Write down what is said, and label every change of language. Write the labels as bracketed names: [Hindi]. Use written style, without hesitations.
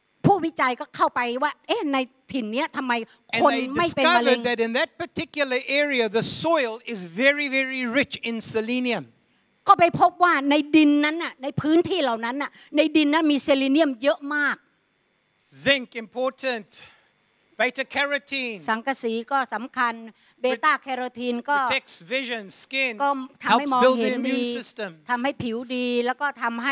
[Thai] ผู้วิจัยก็เข้าไปว่าเอ๊ะในถิ่นเนี้ยทําไมคนไม่เป็นมะเร็ง [English] and they discovered that in that particular area the soil is very very rich in selenium [Thai] ก็ไปพบว่าในดินนั้นน่ะในพื้นที่เหล่านั้นน่ะในดินนั้นมีเซเลเนียมเยอะมาก [English] Zinc important beta carotene [Thai] สังกะสีก็สําคัญเบต้าแคโรทีนก็ [English] protects vision skin [Thai] ก็ทําให้มองเห็นดีทําให้ผิวดีแล้วก็ทําให